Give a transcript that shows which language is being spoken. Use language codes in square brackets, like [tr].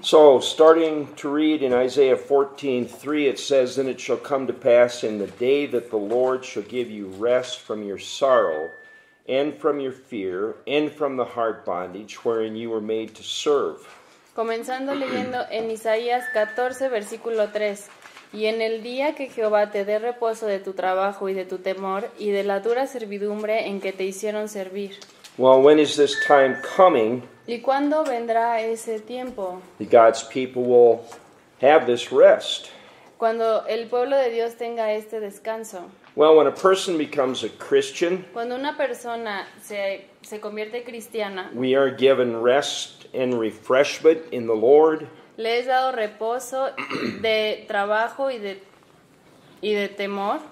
[en] So, starting to read in Isaiah 14:3, it says, "Then it shall come to pass in the day that the Lord shall give you rest from your sorrow and from your fear and from the hard bondage wherein you were made to serve." [es] Comenzando leyendo en Isaías 14, versículo 3. Y en el día que Jehová te dé reposo de tu trabajo y de tu temor y de la dura servidumbre en que te hicieron servir. [en] Well, when is this time coming? [es] ¿Y cuándo vendrá ese tiempo? [en] God's people will have this rest. [es] Cuando el pueblo de Dios tenga este descanso. [en] Well, when a person becomes a Christian, [es] cuando una persona se convierte cristiana, [en] we are given rest and refreshment in the Lord. [es] Le es dado reposo de trabajo y de temor.